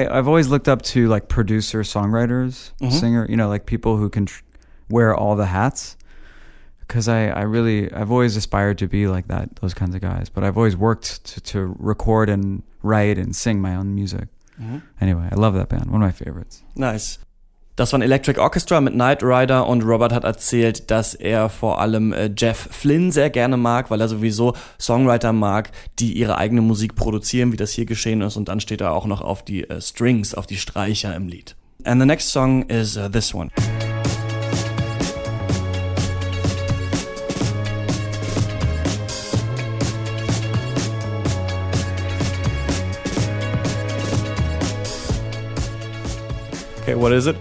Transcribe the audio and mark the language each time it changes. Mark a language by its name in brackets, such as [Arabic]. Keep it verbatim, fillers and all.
[English] I, I've always looked up to like producer songwriters, mm-hmm. singer. You know, like people who can tr- wear all the hats. Because I, I really, I've always aspired to be like that, those kinds of guys. But I've always worked to, to record and write and sing my own music. Mm-hmm. Anyway, I love that band. One of my favorites. Nice. [German] Das waren Electric Orchestra mit Knight Rider und Robert hat erzählt, dass er vor allem äh, Jeff Lynne sehr gerne mag, weil er sowieso Songwriter mag, die ihre eigene Musik produzieren, wie das hier geschehen ist. Und dann steht er auch noch auf die äh, Strings, auf die Streicher im Lied. [English] And the next song is uh, this one. Okay, what is it?